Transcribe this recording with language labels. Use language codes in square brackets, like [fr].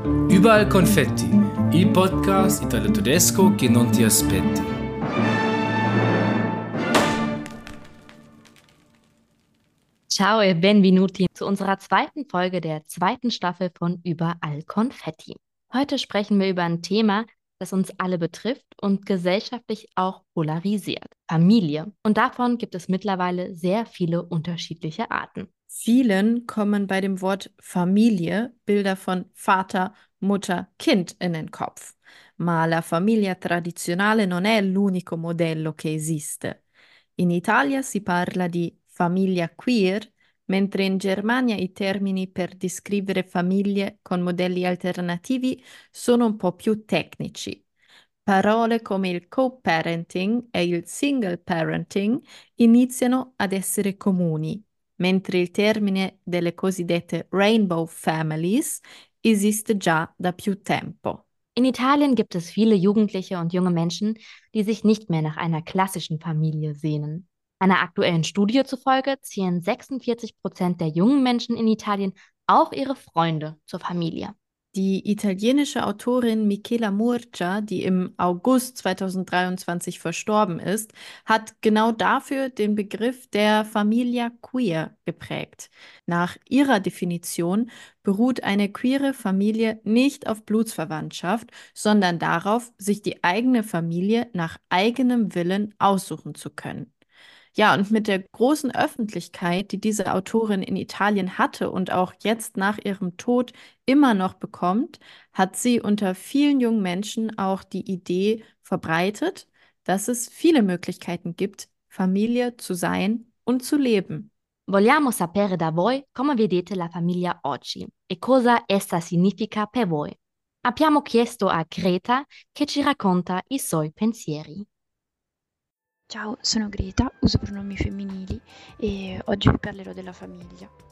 [it] Überall Konfetti, il podcast italo-tedesco che non ti aspetti. Ciao e benvenuti [de] zu unserer zweiten Folge der zweiten Staffel von Überall Konfetti. Heute sprechen wir über ein Thema, das uns alle betrifft und gesellschaftlich auch polarisiert: Familie. Und davon gibt es mittlerweile sehr viele unterschiedliche Arten. Vielen kommen bei dem Wort Familie Bilder von Vater, Mutter, Kind in den Kopf. [it] Ma la famiglia tradizionale non è l'unico modello che esiste. In Italia si parla di famiglia queer, mentre in Germania i termini per descrivere famiglie con modelli alternativi sono un po' più tecnici. Parole come il co-parenting e il single parenting iniziano ad essere comuni, mentre il termine delle cosiddette Rainbow Families esiste già da più tempo. [de] In Italien gibt es viele Jugendliche und junge Menschen, die sich nicht mehr nach einer klassischen Familie sehnen. Einer aktuellen Studie zufolge zählen 46% der jungen Menschen in Italien auch ihre Freunde zur Familie. Die italienische Autorin Michela Murgia, die im August 2023 verstorben ist, hat genau dafür den Begriff der Familia queer geprägt. Nach ihrer Definition beruht eine queere Familie nicht auf Blutsverwandtschaft, sondern darauf, sich die eigene Familie nach eigenem Willen aussuchen zu können. Ja, und mit der großen Öffentlichkeit, die diese Autorin in Italien hatte und auch jetzt nach ihrem Tod immer noch bekommt, hat sie unter vielen jungen Menschen auch die Idee verbreitet, dass es viele Möglichkeiten gibt, Familie zu sein und zu leben. [it] Vogliamo sapere da voi come vedete la famiglia oggi e cosa essa significa per voi. Abbiamo chiesto a Greta che ci racconta i suoi pensieri. Ciao, sono Greta, uso pronomi femminili e oggi vi parlerò della famiglia.